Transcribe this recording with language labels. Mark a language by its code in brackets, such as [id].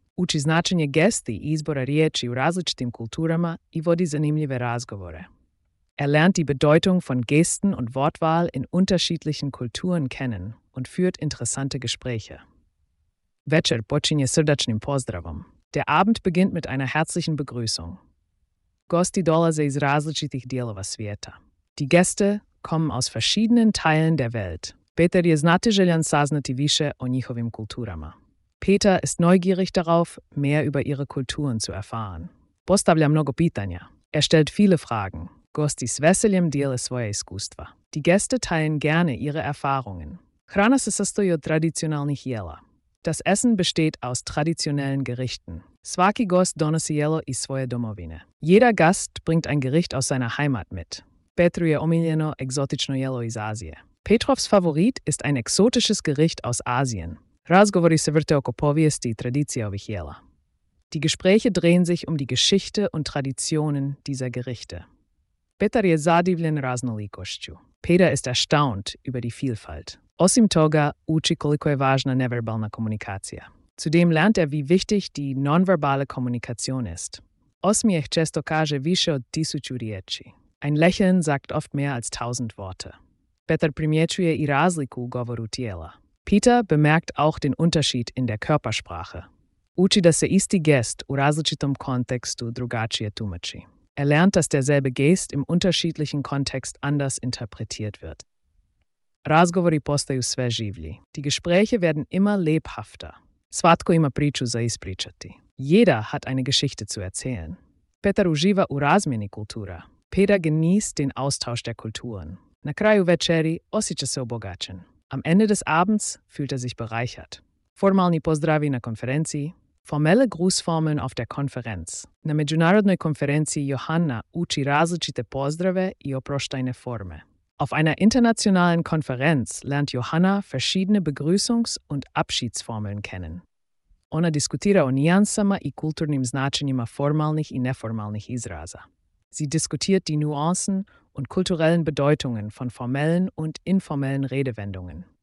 [hr] Uči značenje gesti i izbora riječi u različitim kulturama i vodi zanimljive razgovore. [de] Er lernt die Bedeutung von Gesten und Wortwahl in unterschiedlichen Kulturen kennen und führt interessante Gespräche. [hr] Večer počinje srdačnim pozdravom. [de] Der Abend beginnt mit einer herzlichen Begrüßung. [hr] Gosti dolaze iz različitih dijelova svijeta. [de] Die Gäste kommen aus verschiedenen Teilen der Welt. [hr] Peter je znatiželjan saznati više o njihovim kulturama. [de] Peter ist neugierig darauf, mehr über ihre Kulturen zu erfahren. [hr] Postavlja mnogo pitanja. [de] Er stellt viele Fragen. [hr] Gosti s veseljem dijele svoje iskustva. [de] Die Gäste teilen gerne ihre Erfahrungen. [hr] Hrana se sastoji od tradicionalnih jela. [de] Das Essen besteht aus traditionellen Gerichten. [hr] Svaki gost donosi jelo iz svoje domovine. [de] Jeder Gast bringt ein Gericht aus seiner Heimat mit. [hr] Petru je omiljeno egzotično jelo iz Azije. [de] Petrovs Favorit ist ein exotisches Gericht aus Asien. [hr] Razgovori se vrte oko povijesti i tradicija ovih jela. [de] Die Gespräche drehen sich um die Geschichte und Traditionen dieser Gerichte. [hr] Petar je zadivljen raznolikošću. [de] Peter ist erstaunt über die Vielfalt. [hr] Osim toga, uči koliko je važna neverbalna komunikacija. [de] Zudem lernt er, wie wichtig die nonverbale Kommunikation ist. [hr] Osmijeh često kaže više od 1000 riječi. [de] Ein Lächeln sagt oft mehr als 1000 Worte. [hr] Peter primjećuje i razliku u govoru tijela. [de] Peter bemerkt auch den Unterschied in der Körpersprache. [hr] Uči da se isti gest u različitom kontekstu drugačije tumači. [de] Er lernt, dass derselbe Gest im unterschiedlichen Kontext anders interpretiert wird. [hr] Razgovori postaju sve življi. [de] Die Gespräche werden immer lebhafter. [hr] Svatko ima priču za ispričati. [de] Jeder hat eine Geschichte zu erzählen. [hr] Peter uživa u razmjeni kultura. [de] Peter genießt den Austausch der Kulturen. [hr] Na kraju večeri osjeća se obogaćen. [de] Am Ende des Abends fühlt er sich bereichert. [hr] Formalni pozdravi na konferenci. [de] Formelle Grußformeln auf der Konferenz. [hr] Na međunarodnoj konferenci Johanna uči različite pozdrave i oproštajne forme. [de] Auf einer internationalen Konferenz lernt Johanna verschiedene Begrüßungs- und Abschiedsformeln kennen. [hr] Ona diskutira o nijansama i kulturnim značenjima formalnih i neformalnih izraza. [de] Sie diskutiert die Nuancen und kulturellen Bedeutungen von formellen und informellen Redewendungen.